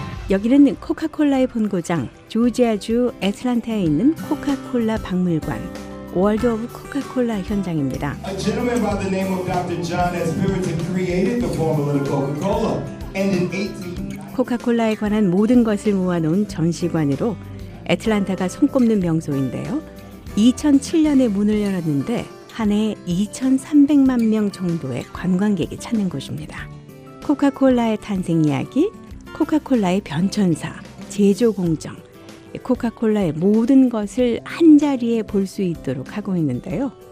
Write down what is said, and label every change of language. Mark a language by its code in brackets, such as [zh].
[ko] 여기는 코카콜라의 본고장, 조지아주 박물관, 월드 오브 코카콜라 현장입니다. [en] A gentleman by the name of Dr. John S. Brewington created the formula of Coca-Cola, and in [ko] 코카콜라에 관한 모든 것을 모아놓은 전시관으로 애틀란타가 손꼽는 명소인데요. 2007년에 문을 열었는데 한 해 2,300만 명 정도의 관광객이 찾는 곳입니다. 코카콜라의 탄생 이야기, 코카콜라의 변천사, 제조 공정, 코카콜라의 모든 것을 한자리에 볼 수 있도록 하고 있는데요.